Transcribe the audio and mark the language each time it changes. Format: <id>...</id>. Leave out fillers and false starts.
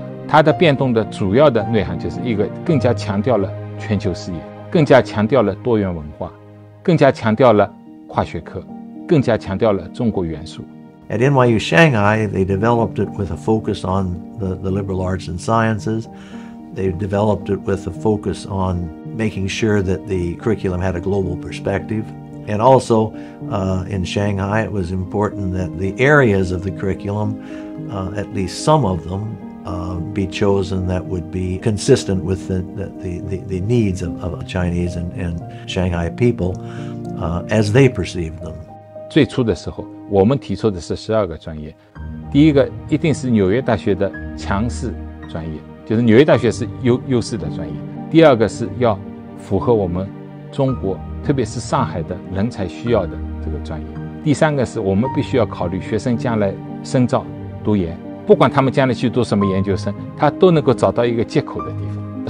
<zh>它的变动的主要的内涵就是一个更加强调了全球视野。更加强调了多元文化，更加强调了跨学科，更加强调了中国元素。</zh> <en>At NYU Shanghai, they developed it with a focus on the liberal arts and sciences. They developed it with a focus on making sure that the curriculum had a global perspective. And also, in Shanghai, it was important that the areas of the curriculum, at least some of them, be chosen that would be consistent with the needs of Chinese and Shanghai people, as they perceived them.</en> <zh>最初的时候我们提出的是十二个专业，第一个一定是纽约大学的强势专业，就是纽约大学是优势的专业，第二个是要符合我们中国特别是上海的人才需要的这个专业，第三个是我们必须要考虑学生将来深造读研，不管他们将来去读什么研究生，他都能够找到一个接口的地方。</zh>